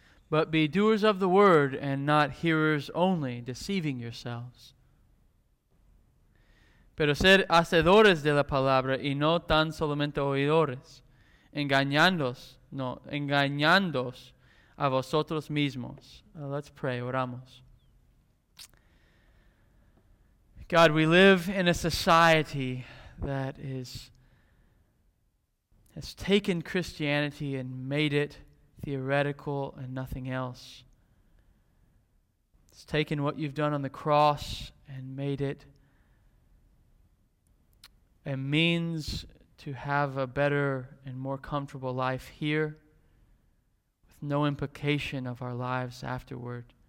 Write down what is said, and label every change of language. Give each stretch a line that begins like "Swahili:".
English: But be doers of the word and not hearers only, deceiving yourselves.
Spanish: Pero ser hacedores de la palabra y no tan solamente oidores, engañándoos a vosotros mismos.
English: Let's pray,
Spanish: oramos.
English: God, we live in a society that has taken Christianity and made it theoretical and nothing else. It's taken what you've done on the cross and made it a means to have a better and more comfortable life here, with no implication of our lives afterward.